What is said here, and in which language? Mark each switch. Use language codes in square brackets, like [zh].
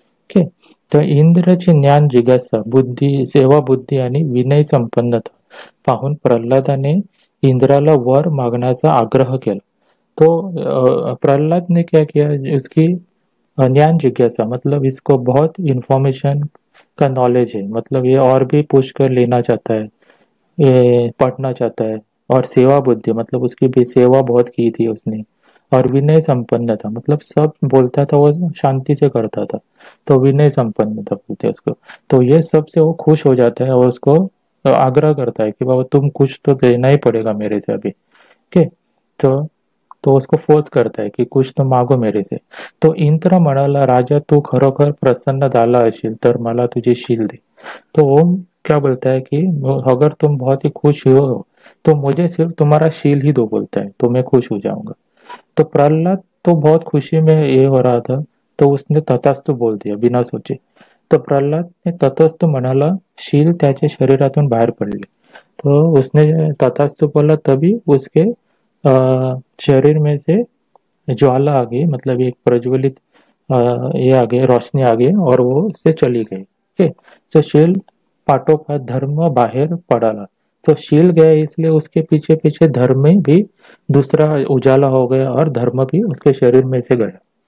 [mr] ठीक, तो इंद्र ची ज्ञान जिज्ञासा बुद्धि सेवा बुद्धि आणि विनय संपन्न था, पाहून प्रल्हादाने इंद्राला वर मागण्याचा आग्रह केला। [hi] तो प्रहलाद ने क्या किया, उसकी ज्ञान जिज्ञासा मतलब इसको बहुत इंफॉर्मेशन का नॉलेज है, मतलब ये और भी पूछ कर लेना चाहता है, ये पढ़ना चाहता है। और सेवा बुद्धि मतलब उसकी भी सेवा बहुत की थी उसने, और विनय संपन्न था, मतलब सब बोलता था वो शांति से करता था, तो विनय संपन्न था बोलते उसको। तो ये सबसे वो खुश हो जाता है और उसको आग्रह करता है कि बाबा तुम कुछ तो देना ही पड़ेगा मेरे से अभी। ठीक है, तो उसको फोर्स करता है कि कुछ तो मांगो मेरे से। [mr] तो इंद्र म्हणाला, राजा तू खरोखर प्रसन्न झाला असेल तर मला तुझे शील दे। [hi] तो ओम क्या बोलता है कि अगर तुम बहुत ही खुश हो तो मुझे सिर्फ तुम्हारा शील ही दो बोलता है, तो मैं खुश हो जाऊंगा। तो प्रहलाद तो बहुत खुशी में ये हो रहा था, तो उसने तथास्तु बोल दिया बिना सोचे। तो प्रहलाद ने [mr] तथास्तु म्हणाला, शील त्याचे शरीरातून बाहेर पडले। [hi] तो उसने तथास्तु बोला तभी उसके शरीर में से ज्वाला आ गई, मतलब एक प्रज्वलित ये आ गई, रोशनी आ गई और वो उससे चली गई। ठीक है, तो शील पाटों का धर्म बाहर पड़ा ला, तो शील गया इसलिए उसके पीछे पीछे धर्म में भी दूसरा उजाला हो गया और धर्म भी उसके शरीर में से गया।